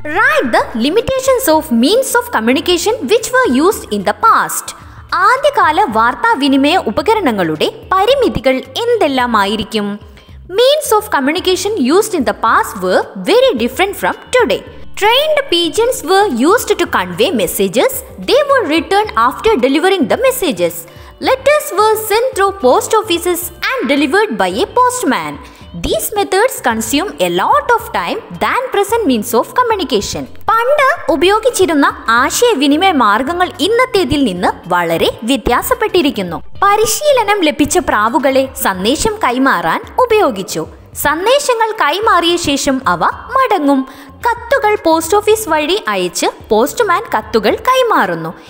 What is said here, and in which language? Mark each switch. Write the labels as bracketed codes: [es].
[en] write the limitations of means of communication which were used in the past, [ml] ആദ്യകാല വാർത്താവിനിമയ ഉപകരണങ്ങളുടെ പരിമിതികൾ എന്തെല്ലാമായിരിക്കും? [en] Means of communication used in the past were very different from today. Trained pigeons were used to convey messages, they were return after delivering the messages. Letters were sent through post offices and delivered by a postman. These methods consume a lot of time than present means of communication. [ml] പണ്ട് ഉപയോഗിച്ചിരുന്ന ആശയവിനിമയ മാർഗങ്ങൾ ഇന്നത്തേതിൽ നിന്ന് വളരെ വ്യത്യാസപ്പെട്ടിരിക്കുന്നു. പരിശീലനം ലഭിച്ച പ്രാവുകളെ സന്ദേശം കൈമാറാൻ ഉപയോഗിച്ചു. സന്ദേശങ്ങൾ കൈമാറിയ ശേഷം അവ മടങ്ങും. കത്തുകൾ പോസ്റ്റ് ഓഫീസ് വഴി അയച്ച് പോസ്റ്റ്മാൻ കത്തുകൾ കൈമാറുന്നു.